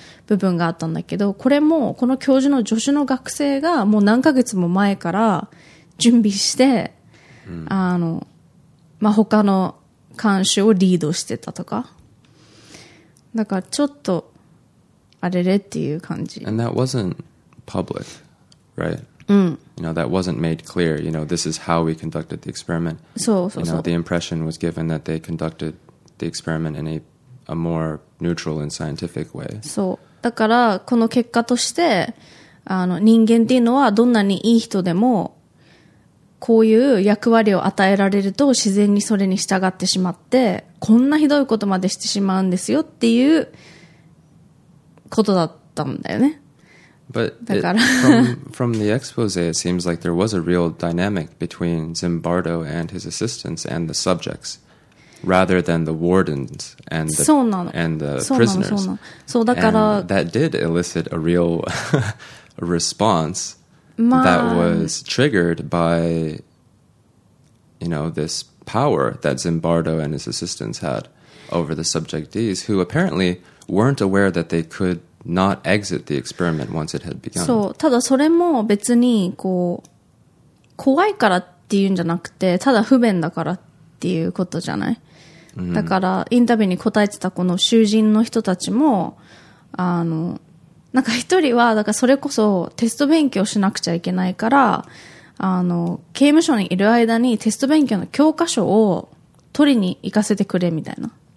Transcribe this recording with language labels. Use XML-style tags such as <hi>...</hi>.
<ja>部分があったんだけど、これもこの教授の助手の学生がもう何ヶ月も前から準備して、他の監視をリードしてたとか、だからちょっとあれれっていう感じ。</ja> <en>And that wasn't public, right? You know, that wasn't made clear. You know, this is how we conducted the experiment.</en> <ja>そうそうそう。</ja> <en>You know, the impression was given that they conducted the experiment in a more neutral and scientific way.</en> <ja>そう。だからこの結果として、あの人間っていうのはどんなにいい人でもこういう役割を与えられると自然にそれに従ってしまってこんなひどいことまでしてしまうんですよっていうことだったんだよね。</ja> <en>But it, from the expose, it seems like there was a real dynamic between Zimbardo and his assistants and the subjects, rather than the wardens and the,</en> <ja>そうなの。</ja> <en>and the prisoners.</en> <ja>そうなの。そうなの。そうだから。</ja> <en>And that did elicit a real response、まあ、that was triggered by, you know, this power that Zimbardo and his assistants had over the subjectees, who apparently weren't aware that they could. Not exit the experiment once it had begun.</en> <ja>そう、ただそれも別にこう怖いからっていうんじゃなくて、ただ不便だからっていうことじゃない。 Mm-hmm. だからインタビューに答えてたこの囚人の人たちも、あのなんか一人はだからそれこそテスト勉強しなくちゃいけないから、あの刑務所にいる間にテスト勉強の教科書を取りに行かせてくれみたいな、</ja>